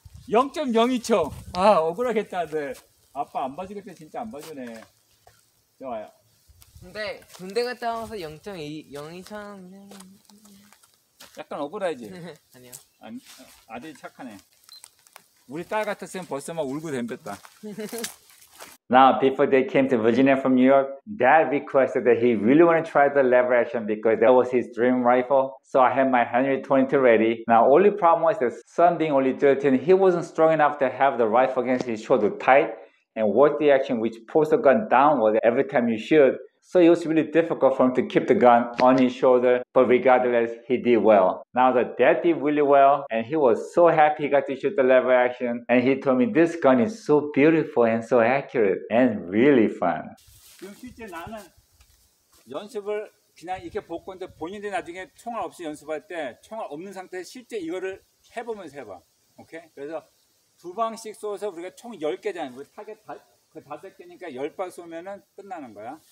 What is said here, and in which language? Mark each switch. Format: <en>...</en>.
<ko>0.02초. 아, 억울하겠다, 아들. 아빠 안 봐주겠다. 진짜 안 봐주네. 좋아요. 근데 군대 갔다 와서 0.02초는 약간 억울하지? 아니요. 아니, 아들이 착하네. 우리 딸 같았으면 벌써 막 울고 댐볐다.</ko> <en>Now, before they came to Virginia from New York, Dad requested that he really want to try the lever action because that was his dream rifle. So I had my Henry 22 ready. Now, only problem was that son being only 13, he wasn't strong enough to have the rifle against his shoulder tight. and what the action which pulls the gun downward every time you shoot. So it was really difficult for him to keep the gun on his shoulder, but regardless, he did well. Now the dad did really well, and he was so happy he got to shoot the lever action, and he told me this gun is so beautiful and so accurate and really fun.</en> <ko>실제 나는 연습을 그냥 이렇게 보고 있는데 본인들이 나중에 총알 없이 연습할 때 총알 없는 상태에 실제 이거를 해보면서 해봐. 오케이? 그래서 두 방씩 쏘서 우리가 총 10개잖아요. 우리 타겟 다, 그 다섯 개니까 10발 쏘면은 끝나는 거야.</ko>